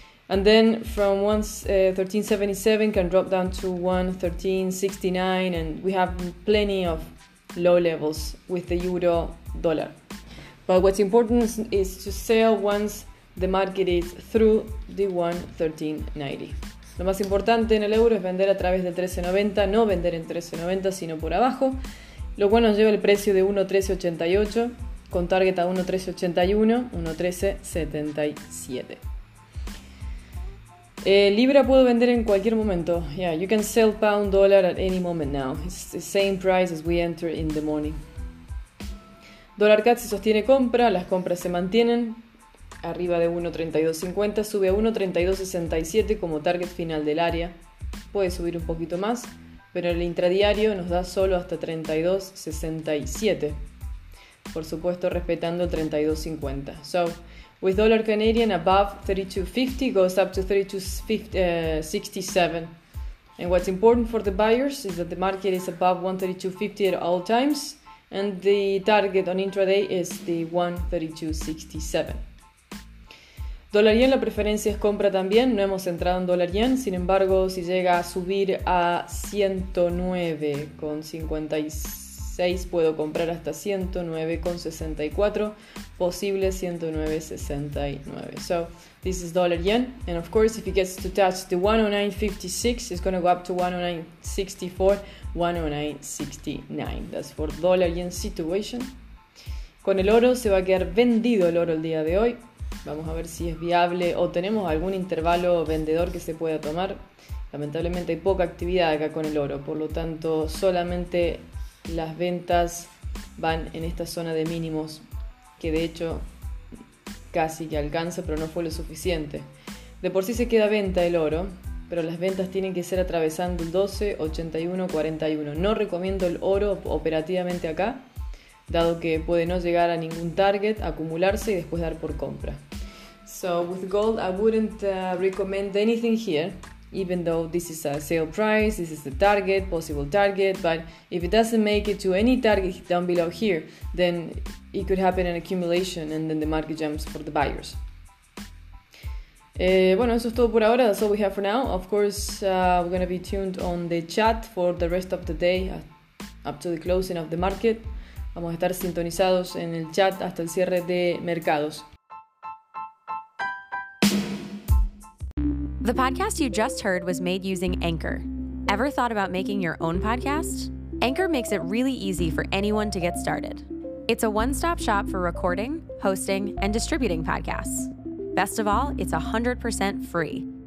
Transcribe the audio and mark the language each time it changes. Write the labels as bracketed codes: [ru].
[en] And then from 1.13.77 can drop down to 1.13.69 and we have plenty of low levels with the euro dollar. But what's important is to sell once the market is through the 1.13.90. [es] Lo más importante en el euro es vender a través del 13.90, no vender en 13.90 sino por abajo. Lo cual nos lleva el precio de 1.13.88 con target a 1.13.81, 1.13.77. Libra puedo vender en cualquier momento. [en] Yeah, you can sell pound dollar at any moment now. It's the same price as we enter in the morning. [es] Dólar CAD se sostiene compra, las compras se mantienen arriba de 1.3250, sube a 1.3267 como target final del área. Puede subir un poquito más, pero el intradiario nos da solo hasta 3267. Por supuesto, respetando el 3250. [en] So, with dollar Canadian above 3250 goes up to 3267. And what's important for the buyers is that the market is above 1.3250 at all times. And the target on intraday is the 1.3267. [es] Dólar yen, la preferencia es compra también. No hemos entrado en dólar yen. Sin embargo, si llega a subir a 109.56, puedo comprar hasta 109.64, posible 109.69. [en] So, this is dólar yen. And of course, if it gets to touch the 109.56, it's going to go up to 109.64. 109.69. That's for dollar yen situation. [es] Con el oro se va a quedar vendido el oro el día de hoy. Vamos a ver si es viable o tenemos algún intervalo vendedor que se pueda tomar. Lamentablemente hay poca actividad acá con el oro, por lo tanto solamente las ventas van en esta zona de mínimos que de hecho casi que alcanza, pero no fue lo suficiente. De por sí se queda venta el oro. Pero las ventas tienen que ser atravesando el 12.81.41. No recomiendo el oro operativamente acá, dado que puede no llegar a ningún target, acumularse y después dar por compra. [en] So with gold, I wouldn't recommend anything here, even though this is a sale price, this is the target, possible target. But if it doesn't make it to any target down below here, then it could happen an accumulation and then the market jumps for the buyers. [es] Bueno, eso es todo por ahora. [en] That's all we have for now. Of course, we're going to be tuned on the chat for the rest of the day up to the closing of the market. [es] Vamos a estar sintonizados en el chat hasta el cierre de mercados. [en] The podcast you just heard was made using Anchor. Ever thought about making your own podcast? Anchor makes it really easy for anyone to get started. It's a one-stop shop for recording, hosting, and distributing podcasts. Best of all, it's 100% free.